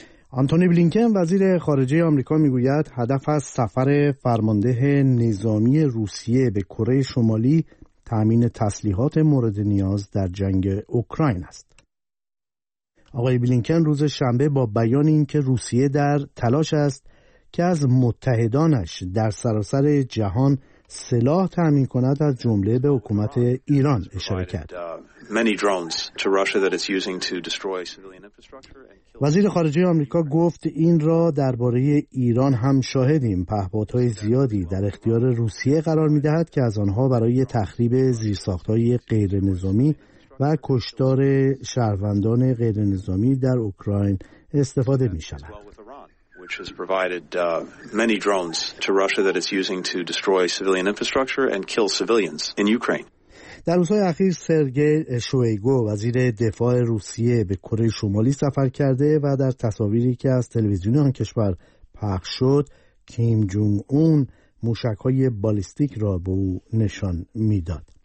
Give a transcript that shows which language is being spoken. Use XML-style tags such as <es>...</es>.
<fa>آنتونی بلینکن وزیر خارجه آمریکا میگوید هدف از سفر فرمانده نظامی روسیه به کره شمالی تامین تسلیحات مورد نیاز در جنگ اوکراین است. آقای بلینکن روز شنبه با بیان اینکه روسیه در تلاش است که از متحدانش در سراسر جهان سلاح تامین کند از جمله به حکومت ایران اشاره کرد.</fa> <en>Many drones to Russia that it's using to destroy civilian infrastructure and kill.</en> <fa>وزیر خارجه آمریکا گفت این را درباره ایران هم شاهدیم. پهپادهای زیادی در اختیار روسیه قرار می‌دهد که از آنها برای تخریب زیرساخت‌های غیر نظامی و کشتار شهروندان غیر نظامی در اوکراین استفاده می‌شود.</fa> <en>Which has provided many drones to Russia that it's using to destroy civilian infrastructure and kill civilians in Ukraine.</en> <fa>در روزهای اخیر سرگی شویگو وزیر دفاع روسیه به کره شمالی سفر کرده و در تصاویری که از تلویزیون آن کشور پخش شد کیم جونگ اون موشک‌های بالیستیک را به او نشان می‌داد.</fa>